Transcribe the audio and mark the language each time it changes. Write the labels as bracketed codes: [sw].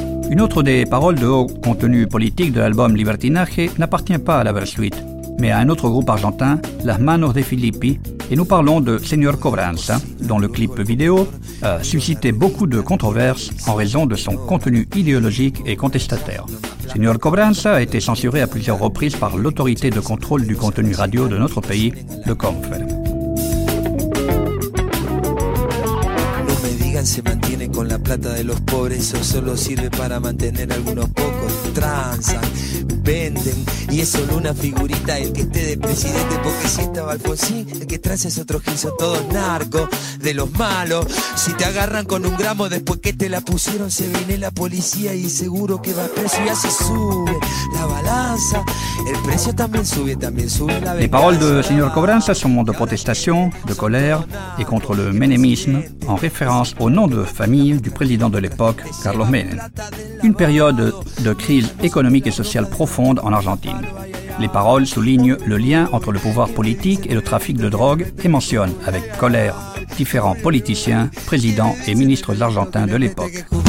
[fr] Une autre des paroles de haut contenu politique de l'album Libertinaje n'appartient pas à la Bersuit, mais à un autre groupe argentin, Las Manos de Filippi, et nous parlons de Señor Cobranza, dont le clip vidéo a suscité beaucoup de controverses en raison de son contenu idéologique et contestataire. Señor Cobranza a été censuré à plusieurs reprises par l'autorité de contrôle du contenu radio de notre pays, le CONFER. [es] Se mantiene con la plata de los pobres o solo sirve para mantener algunos pocos. Transan, venden y es solo una figurita el que esté de presidente. Porque si estaba Alfonsín, el que transa es otro gil, son todos narcos de los malos. Si te agarran con un gramo después que te la pusieron, se viene la policía y seguro que va preso. Ya se sube la balanza, el precio también sube la venganza. [fr] Les paroles de Señor Cobranza sont de protestation, de colère et contre le menemisme en référence au nom de famille du président de l'époque, Carlos Menem. Une période de crise économique et sociale profonde en Argentine. Les paroles soulignent le lien entre le pouvoir politique et le trafic de drogue et mentionnent, avec colère, différents politiciens, présidents et ministres argentins de l'époque.